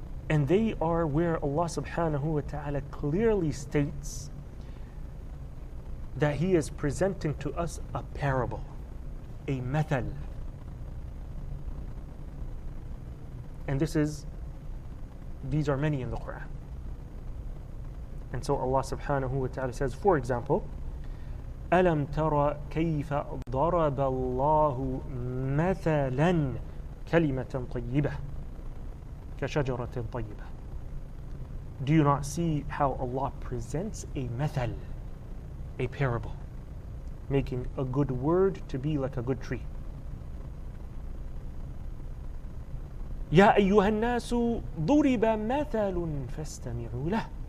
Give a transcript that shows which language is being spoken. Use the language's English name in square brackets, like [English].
[English] And they are where Allah subhanahu wa ta'ala clearly states that He is presenting to us a parable, a mathal. And these are many in the Quran. And so Allah subhanahu wa ta'ala says, for example, [Arabic] أَلَمْ تَرَ كَيْفَ ضَرَبَ اللَّهُ مَثَلًا كَلِمَةً طَيِّبَةً كَشَجَرَةٍ طَيِّبَةً. [English] Do you not see how Allah presents a mathal, a parable, making a good word to be like a good tree? [Arabic] يَا أَيُّهَا النَّاسُ ضُرِبَ مَثَلٌ فَاسْتَمِعُوا لَهُ.